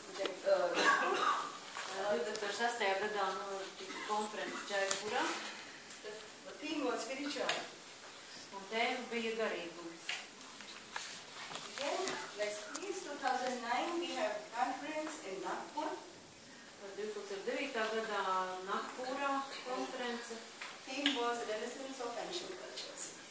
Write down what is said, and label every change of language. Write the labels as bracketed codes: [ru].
[lv] Gadā tika konferences Džaipurā. [en] The theme was spiritual. [lv] Un tēma bija garīgums. [en] Again, next please, 2009 we have a conference in Nagpur. [lv] 2009. Gadā Nagpurā konference. [en] Theme was renaissance of ancient cultures.